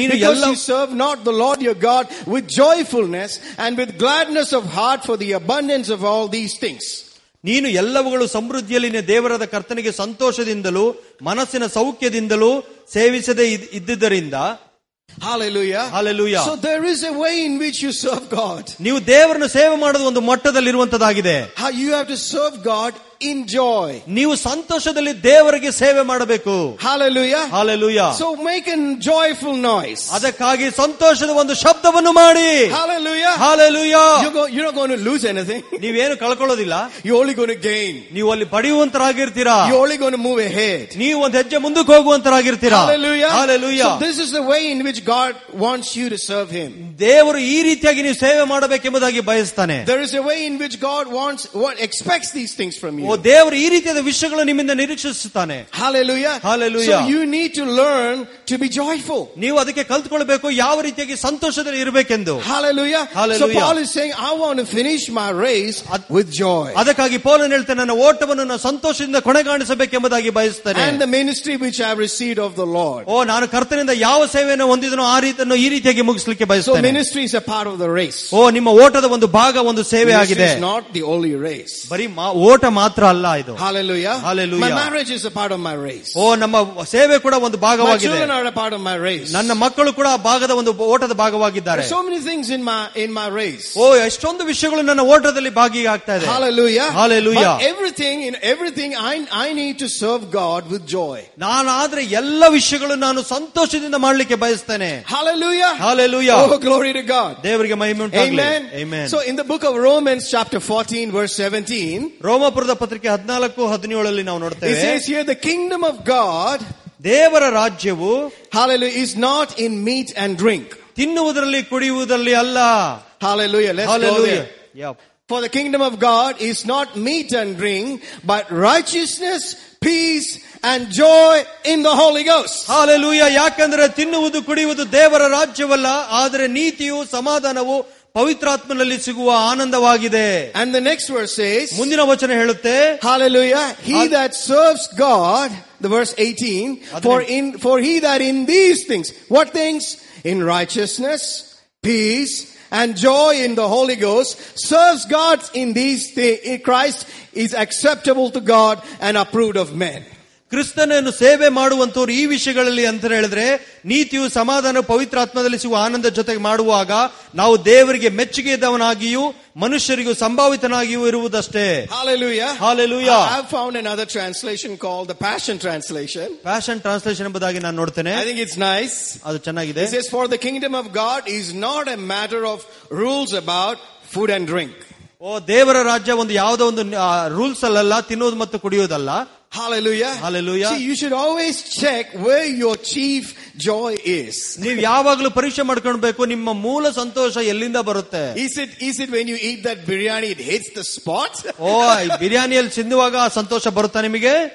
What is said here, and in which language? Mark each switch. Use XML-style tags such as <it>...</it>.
<en>Because you serve not the lord your god with joyfulness and with gladness of heart for the abundance of all these things.</en> <kn>ನೀನು ಎಲ್ಲವುಗಳು ಸಮೃದ್ಧಿಯಲ್ಲಿನ ದೇವರಾದ ಕರ್ತನಿಗೆ ಸಂತೋಷದಿಂದಲೂ ಮನಸ್ಸಿನ ಸೌಖ್ಯದಿಂದಲೂ ಸೇವಿಸದೇ ಇದ್ದುದರಿಂದ.</kn> <en>Hallelujah. Hallelujah. So there is a way in which you serve God.</en> <kn>ನೀವು ದೇವರನ್ನು ಸೇವೆ ಮಾಡುವ ಒಂದು ಮಟ್ಟದಲ್ಲಿ ಇರುವಂತದಾಗಿದೆ.</kn> <en>You have to serve God in joy.</en> <kn>ನೀವು ಸಂತೋಷದಲ್ಲಿ ದೇವರಿಗೆ ಸೇವೆ ಮಾಡಬೇಕು.</kn> <en>Hallelujah. Hallelujah. So make a joyful noise.</en> <kn>ಅದಕ್ಕಾಗಿ ಸಂತೋಷದ ಒಂದು ಶಬ್ದವನ್ನು ಮಾಡಿ.</kn> <en>Hallelujah. Hallelujah. You're not going to lose anything.</en> <kn>ನೀವೇನು ಕಳ್ಕೊಳ್ಳೋದಿಲ್ಲ.</kn> <en>You're only going to gain.</en> <kn>ನೀವು ಅಲ್ಲಿ ಪಡೆಯುವಂತರಾಗಿರ್ತೀರಾ.</kn> <en>You're only going to move ahead.</en> <kn>ನೀವು ಒಂದು ಹೆಜ್ಜೆ ಮುಂದಕ್ಕೆ ಹೋಗುವಂತರಾಗಿರ್ತೀರಾ.</kn> <en>Hallelujah. Hallelujah. So this is the way in which God wants you to serve him.</en> <kn>ದೇವರು ಈ ರೀತಿಯಾಗಿ ನೀವು ಸೇವೆ ಮಾಡಬೇಕೆಂಬುದಾಗಿ ಬಯಸ್ತಾನೆ.</kn> <en>There is a way in which God wants, what expects these things from you.</en> <kn>ದೇವರು ಈ ರೀತಿಯಾದ ವಿಷಯಗಳು ನಿಮ್ಮಿಂದ ನಿರೀಕ್ಷಿಸುತ್ತಾನೆ.</kn> <en>Hallelujah. Hallelujah. So you need to learn to be joyful.</en> <kn>ನೀವು ಅದಕ್ಕೆ ಕಲ್ತ್ಕೊಳ್ಬೇಕು ಯಾವ ರೀತಿಯಾಗಿ ಸಂತೋಷದಲ್ಲಿ ಇರಬೇಕೆಂದು.</kn> <en>Hallelujah. Hallelujah. So Paul is saying, I want to finish my race with joy.</en> <kn>ಅದಕ್ಕಾಗಿ ಪೌಲನು ಹೇಳ್ತಾನೆ, ನನ್ನ ಓಟವನ್ನು ನಾನು ಸಂತೋಷದಿಂದ ಕೊನೆಗಾಣಿಸಬೇಕೆಂಬುದಾಗಿ ಬಯಸುತ್ತೇನೆ.</kn> <en>And the ministry which I have received of the Lord.</en> <kn>ಓ ನಾನು ಕರ್ತನಿಂದ ಯಾವ ಸೇವೆಯನ್ನು ಹೊಂದಿದನೋ ಆ ರೀತಿಯನ್ನು ಈ ರೀತಿಯಾಗಿ ಮುಗಿಸಲಿಕ್ಕೆ ಬಯಸುತ್ತೇನೆ.</kn> <en>So ministry is a part of the race.</en> <kn>ಓ ನಿಮ್ಮ ಓಟದ ಒಂದು ಭಾಗ, ಒಂದು ಸೇವೆ ಆಗಿದೆ.</kn> <en>It is not the only race.</en> <kn>ಬರೀ ಓಟ ಮಾತ್ರ ಅಲ್ಲ ಇದು.</kn> <en>Hallelujah. Hallelujah. My marriage is a part of my race.</en> <kn>ಓ ನಮ್ಮ ಸೇವೆ ಕೂಡ ಒಂದು ಭಾಗವಾಗಿದೆ.</kn> <en>My children are a part of my race.</en> <kn>ನನ್ನ ಮಕ್ಕಳು ಕೂಡ ಆ ಭಾಗದ ಒಂದು ಓಟದ ಭಾಗವಾಗಿದ್ದಾರೆ.</kn> <en>So many things in my race.</en> <kn>ಓ ಎಷ್ಟೊಂದು ವಿಷಯಗಳು ನನ್ನ ಓಟದಲ್ಲಿ ಭಾಗಿಯಾಗ್ತಾ ಇದೆ.</kn> <en>Hallelujah. Hallelujah. But everything I need to serve God with joy.</en> <kn>ನಾನು ಆದ್ರೆ ಎಲ್ಲ ವಿಷಯಗಳು ನಾನು ಸಂತೋಷದಿಂದ ಮಾಡಲಿಕ್ಕೆ ಬಯಸ್ತೇನೆ.</kn> <en>Hallelujah. Hallelujah. Oh glory to God.</en> <kn>ದೇವರಿಗೆ ಮಹಿಮೆ ಉಂಟಾಗಲಿ.</kn> <en>Amen. Amen. So in the book of Romans chapter 14 verse 17.</en> <kn>ರೋಮಾಪುರದ ಪತ್ರಿಕೆ 14:17 ನಾವು ನೋಡ್ತೇವೆ.</kn> <en>It says here the kingdom of God.</en> <kn>ದೇವರ ರಾಜ್ಯವು.</kn> <en>Hallelujah. Is not in meat and drink.</en> <kn>ತಿನ್ನುವುದರಲ್ಲಿ ಕುಡಿಯುವುದರಲ್ಲಿ ಅಲ್ಲ.</kn> <en>Hallelujah. Let's Hallelujah. go there. Yep. For the kingdom of God is not meat and drink, but righteousness, peace, and joy in the Holy Ghost. Hallelujah.</en> <kn>ಯಾಕಂದ್ರೆ ತಿನ್ನುವುದು ಕುಡಿಯುವುದು ದೇವರ ರಾಜ್ಯವಲ್ಲ, ಆದರೆ ನೀತಿಯು ಸಮಾಧಾನವು ಪವಿತ್ರಾತ್ಮನಲ್ಲಿ ಸಿಗುವ ಆನಂದವಾಗಿದೆ.</kn> <en>And the next verse says,</en> <kn>ಮುಂದಿನ ವಚನ ಹೇಳುತ್ತೆ.</kn> <en>Hallelujah. He that serves God, the verse 18, for he that in these things, what things? In righteousness, peace, and joy in the Holy Ghost, serves God in these things, in Christ, is acceptable to God and approved of men.</en> <kn>ಕ್ರಿಸ್ತನನ್ನು ಸೇವೆ ಮಾಡುವಂತವರು ಈ ವಿಷಯಗಳಲ್ಲಿ ಅಂತ ಹೇಳಿದ್ರೆ, ನೀತಿಯು ಸಮಾಧಾನ ಪವಿತ್ರಾತ್ಮದಲ್ಲಿ ಸಿಗುವ ಆನಂದ ಜೊತೆಗೆ ಮಾಡುವಾಗ ನಾವು ದೇವರಿಗೆ ಮೆಚ್ಚುಗೆದವನಾಗಿಯೂ ಮನುಷ್ಯರಿಗೂ ಸಂಭಾವಿತನಾಗಿಯೂ ಇರುವುದಷ್ಟೇ.</kn> <en>Hallelujah. Hallelujah. I have found another translation called the Passion Translation.</en> <kn>Passion Translation ಎಂಬುದಾಗಿ ನಾನು ನೋಡ್ತೇನೆ.</kn> <en>I think it's nice.</en> <kn>ಅದು ಚೆನ್ನಾಗಿದೆ.</kn> <en>It says, for the kingdom of God is not a matter of rules about food and drink.</en> <kn>ಓ ದೇವರ ರಾಜ್ಯ ಒಂದು ಯಾವುದೋ ಒಂದು ರೂಲ್ಸ್ ಅಲ್ಲ, ತಿನ್ನೋದು ಮತ್ತು ಕುಡಿಯೋದಲ್ಲ.</kn> <en>Hallelujah. Hallelujah. See, you should always check where your chief joy is.</en> <kn>ನೀವ್ ಯಾವಾಗ್ಲೂ ಪರೀಕ್ಷೆ ಮಾಡ್ಕೊಳ್ಬೇಕು ನಿಮ್ಮ ಮೂಲ ಸಂತೋಷ ಎಲ್ಲಿಂದ ಬರುತ್ತೆ.</kn> <en>Is it when you eat that biryani it hits the spot?</en> <kn>ಓ ಬಿರಿಯಾನಿಯಲ್ಲಿ ಸಿಂಧುವಾಗ ಸಂತೋಷ ಬರುತ್ತಾ ನಿಮಗೆ?</kn>